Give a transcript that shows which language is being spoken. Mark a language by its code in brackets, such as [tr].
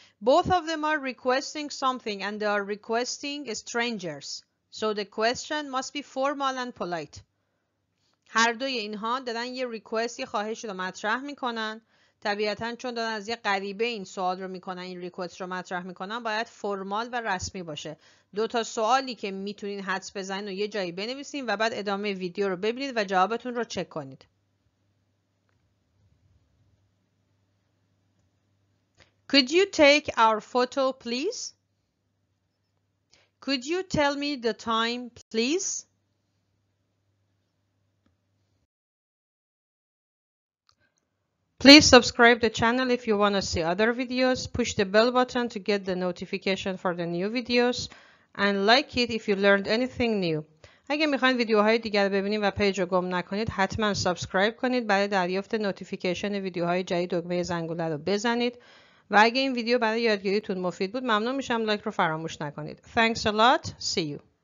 [en] Both of them are requesting something and they are requesting strangers. So the question must be formal and polite. [fa] هر دوی اینها دارن یه request، یه خواهش رو مطرح میکنن. طبیعتاً چون دارن از یه غریبه این سوال رو میکنن، این ریکوست رو مطرح میکنن، باید فرمال و رسمی باشه. دو تا سوالی که میتونین حدس بزنین و یه جایی بنویسین و بعد ادامه ویدیو رو ببینید و جوابتون رو چک کنید. [en] Could you take our photo please? Could you tell me the time please? Please subscribe the channel if you want to see other videos. Push the bell button to get the notification for the new videos and like it if you learned anything new. [fa] اگه میخواین ویدیوهای دیگر رو ببینید و پیج رو گم نکنید حتما سابسکرایب کنید برای دریافت نوتیفیکیشن ویدیوهای جدید. دکمه زنگوله رو بزنید و اگه این ویدیو برای یادگیریتون مفید بود ممنون میشم لایک رو فراموش نکنید. [en] Thanks a lot. See you.